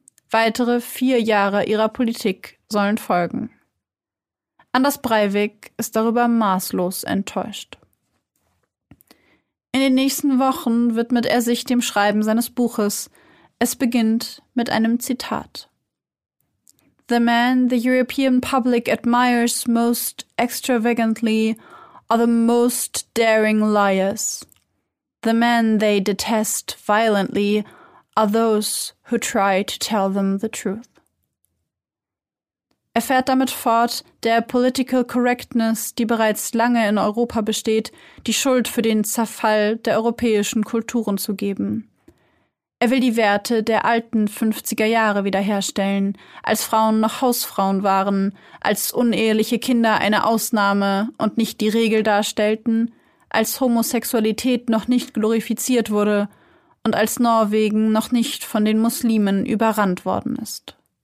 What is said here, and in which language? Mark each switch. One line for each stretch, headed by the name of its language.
German: Weitere 4 Jahre ihrer Politik sollen folgen. Anders Breivik ist darüber maßlos enttäuscht. In den nächsten Wochen widmet er sich dem Schreiben seines Buches. Es beginnt mit einem Zitat.
English: The men the European public admires most extravagantly are the most daring liars. The men they detest violently are those who try to tell them the truth.
German: Er fährt damit fort, der Political Correctness, die bereits lange in Europa besteht, die Schuld für den Zerfall der europäischen Kulturen zu geben. Er will die Werte der alten 50er Jahre wiederherstellen, als Frauen noch Hausfrauen waren, als uneheliche Kinder eine Ausnahme und nicht die Regel darstellten, als Homosexualität noch nicht glorifiziert wurde und als Norwegen noch nicht von den Muslimen überrannt worden ist.